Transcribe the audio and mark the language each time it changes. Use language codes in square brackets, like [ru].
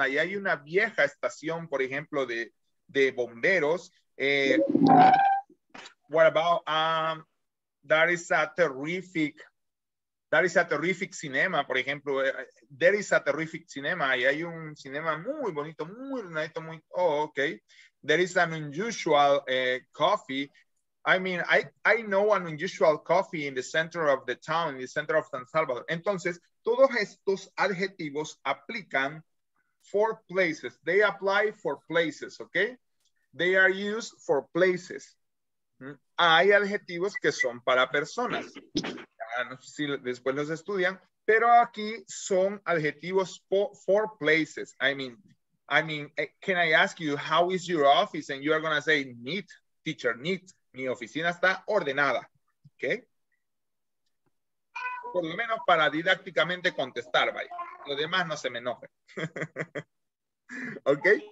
[es] Ahí hay una vieja estación, por ejemplo, de bomberos. [en] What about that is a terrific cinema, [es] por ejemplo. [en] There is a terrific cinema. [es] Ahí hay un cinema muy bonito, muy bonito, muy. [en] Oh, okay. There is an unusual coffee. I mean, I know an unusual coffee in the center of the town, in the center of San Salvador. [es] Entonces, todos estos adjetivos aplican [en] for places. They apply for places, okay? They are used for places. [es] Hay adjetivos que son para personas. Si después los estudian, pero aquí son adjetivos [en] for places. I mean, can I ask you, how is your office? And you are going to say, neat, teacher, neat. [es] Mi oficina está ordenada, ¿ok? Por lo menos para didácticamente contestar, vaya. Lo demás no se me enoje. ¿Ok?